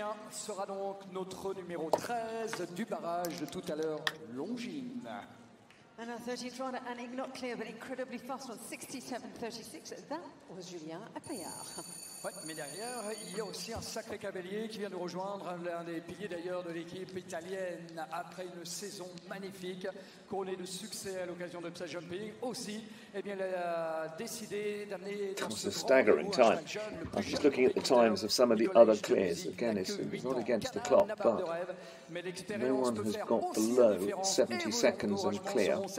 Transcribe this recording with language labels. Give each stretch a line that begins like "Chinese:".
French: Sera donc notre numéro 13 du barrage de tout à l'heure, Longines.
English: And our 13th runner, and not clear, but incredibly fast on 67.36. That was Julien Epillard.
French: Ouais, mais derrière, il y a aussi un sacré cavalier qui vient de rejoindre, l'un des piliers d'ailleurs de l'équipe italienne, après une saison magnifique, couronnée de succès à l'occasion de sa jumping. Aussi, eh bien, il a décidé d'amener dans ce
English: staggering time. I'm just looking at the times of some of the other clears. Again, it's not against the clock, but no one has got below 70 seconds and clear.